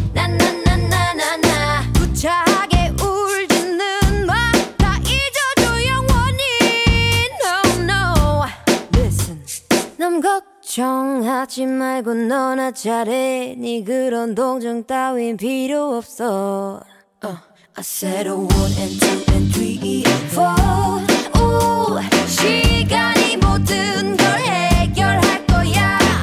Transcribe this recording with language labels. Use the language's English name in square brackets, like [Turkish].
[Korean] 나나나나나나 구차하게 울지는 마. 다 잊어줘 영원히. [English] No no listen [Korean] 넌 걱정하지 말고 너나 잘해. 네 그런 동정 따윈 필요 없어. [English] I said a one and two and three and four. [Korean] Ooh, 시간이 모든 걸 해결할 거야.